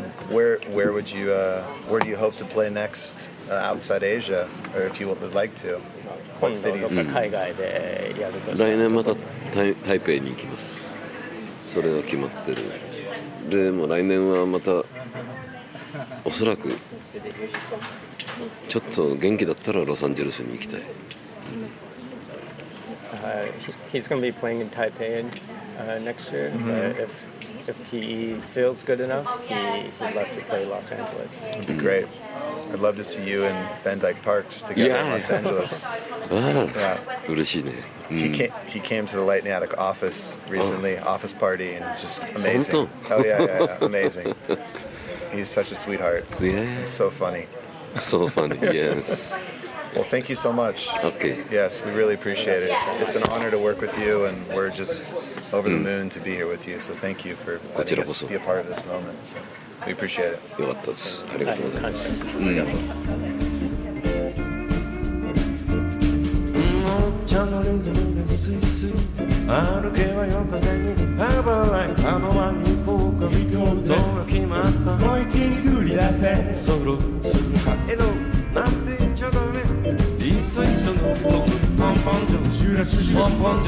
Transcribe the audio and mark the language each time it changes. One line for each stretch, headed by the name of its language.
English: Where would you, where do you hope to play next outside Asia, or if you would like to? What cities?
Japanese: 今度どっか海外でやるとしたら。来年また台北に行きます。それは決まってる。でも来年はまたおそらく。ちょっと元気だったらロサンゼルスに行きたい。
English: He's going to be playing in Taipei next year. If he feels good enough, he would love to play Los Angeles. It'd be great. I'd love to see you in Van Dyke Parks together in Los Angeles.
Japanese: Yeah. 嬉しいね。
English: He came to the Lightning Attic office recently, office party, and just amazing.
Japanese: 本当?
English: Oh yeah, amazing. He's such a sweetheart. Yeah. So funny. So funny, yes. Well, thank you so much. Okay. Yes, we really appreciate it. It's an honor to work with you, and we're just over the moon to be here with you. So thank you for letting us be a part of this moment. So we appreciate it. ありがとうございます。うん。チャンネルズの水水。歩けばよ風に。ハーバーライン。ハーバーライン。行こうか。行こう。空気舞った。もう一気にグリ出せ。ソロ。エド。なんて言っちゃダメ。いっそいっその。ポンポンジョ。シュラシュシュ。ポン